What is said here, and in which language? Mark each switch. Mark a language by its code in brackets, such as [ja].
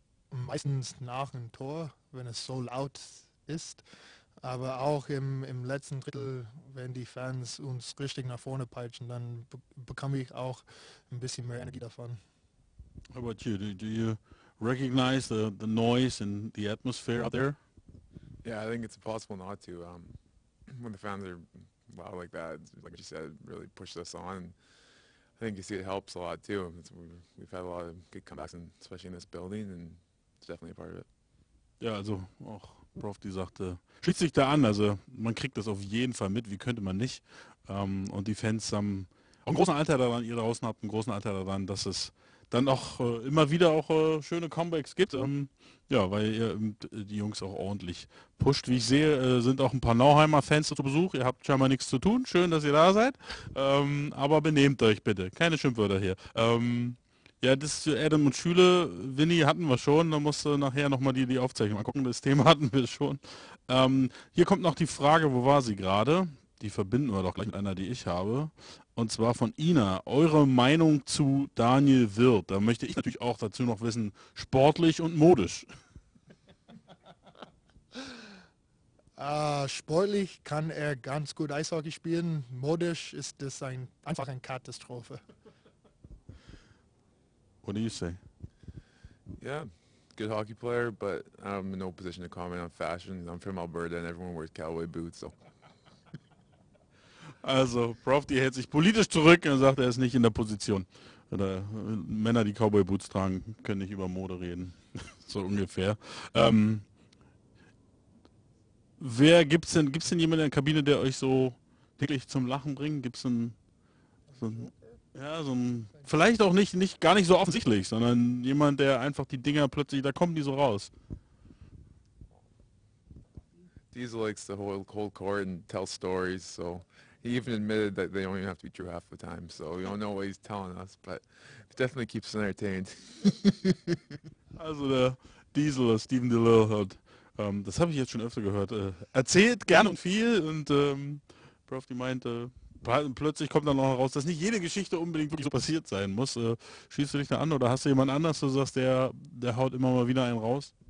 [de] Meistens nach dem Tor, wenn es so laut ist. Aber auch im letzten Drittel, wenn die Fans uns richtig nach vorne peitschen, dann bekomme ich auch ein bisschen mehr Energie davon. [en] How about you? Do you recognize the noise and the atmosphere out there? Yeah, I think it's impossible not to. When the fans are loud like that, like you said, really pushes us on. And I think you see it helps a lot too. We've had a lot of good comebacks, and especially in this building, and it's definitely a part of it. [de] Ja, also auch Prof, die sagte, schließt sich da an. Also man kriegt das auf jeden Fall mit, wie könnte man nicht. Und die Fans haben einen großen Anteil daran, ihr draußen habt einen großen Anteil daran, dass es dann auch immer wieder auch schöne Comebacks gibt. Ja, weil ihr die Jungs auch ordentlich pusht. Wie ich sehe, sind auch ein paar Nauheimer Fans zu Besuch. Ihr habt scheinbar nichts zu tun. Schön, dass ihr da seid. Aber benehmt euch bitte. Keine Schimpfwörter hier. Ja, das zu Adam und Schüle, Winnie hatten wir schon, da musst du nachher nochmal die Aufzeichnung mal gucken, das Thema hatten wir schon. Hier kommt noch die Frage, wo war sie gerade? Die verbinden wir doch gleich mit einer, die ich habe. Und zwar von Ina, eure Meinung zu Daniel Wirth. Da möchte ich natürlich auch dazu noch wissen, sportlich und modisch. Sportlich kann er ganz gut Eishockey spielen, modisch ist das einfach eine Katastrophe. [en] What do you say? Yeah, good hockey player, but I'm in no position to comment on fashion. I'm from Alberta and everyone wears cowboy boots. So. [de] Also, Prof, die hält sich politisch zurück und sagt, er ist nicht in der Position. Oder Männer, die cowboy boots tragen, können nicht über Mode reden. So ungefähr. Wer gibt's denn jemanden in der Kabine, der euch so wirklich zum Lachen bringt? Gibt's denn so ein... Ja, so ein, vielleicht auch nicht gar nicht so offensichtlich, sondern jemand, der einfach die Dinger plötzlich, da kommen die so raus. [en] Diesel likes the whole cold court and tells stories, so he even admitted that they don't even have to be true half the time, so we don't know what he's telling us, but it definitely keeps us entertained. [de] Also der Diesel, Stephen DeLille, hat, das habe ich jetzt schon öfter gehört, erzählt gern und viel und Prof, die meinte, plötzlich kommt dann auch heraus, dass nicht jede Geschichte unbedingt wirklich so passiert sein muss. Schießt du dich da an oder hast du jemand anders, du sagst, der haut immer mal wieder einen raus?